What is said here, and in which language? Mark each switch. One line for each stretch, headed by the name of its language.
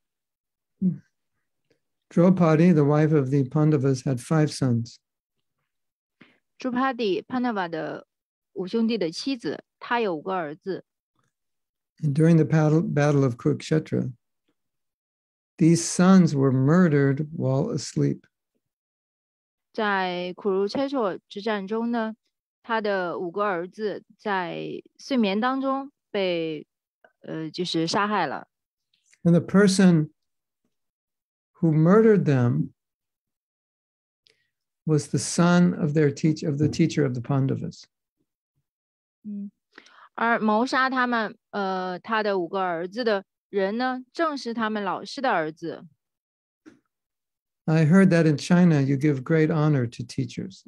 Chinese: 所以呢，就是对于阿玛瑞希玛拉以来说，他这样做并没有任何的挣扎。对于一位纯粹奉献的来说呢，他们自然而然的就去宽恕他人。Draupadi,
English: the wife of the Pandavas, had five sons.
Chinese: Draupadi, Pandava 的五兄弟的妻子，她有五个儿子。
English: And during the battle of Kurukshetra, these sons were murdered while asleep.
Chinese: 在苦如切磋之战中呢，他的五个儿子在睡眠当中被，就是杀害了。
English: And the person who murdered them was the son of the teacher of the Pandavas.
Chinese: 而谋杀他们，他的五个儿子的。人呢，正是他们老师的儿子。
English: I heard that in China you give great honor to teachers.